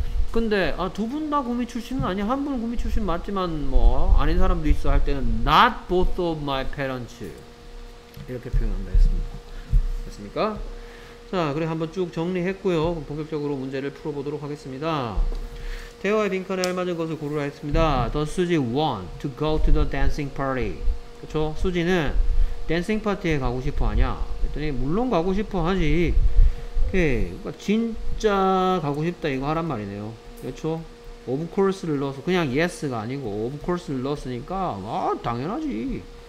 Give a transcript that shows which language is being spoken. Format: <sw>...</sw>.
<ko>근데 아, 두 분 다 구미 출신은 아니야. 한 분은 구미 출신 맞지만 뭐 아닌 사람도 있어 할 때는</ko> <en>Not both of my parents</en> <ko>이렇게 표현한다 했습니다. 됐습니까? 자, 그래 한번 쭉 정리했고요. 본격적으로 문제를 풀어보도록 하겠습니다. 대화의 빈칸에 알맞은 것을 고르라 했습니다.</ko> <en>The Suzy want to go to the dancing party.</en> <ko>그쵸? 수지는 댄싱 파티에 가고 싶어 하냐? 그랬더니 물론 가고 싶어 하지. 그러니까 진짜 가고 싶다 이거 하란 말이네요. 그렇죠? Of course를 넣어서 그냥 yes가 아니고 of course를 넣었으니까 아 당연하지.</ko>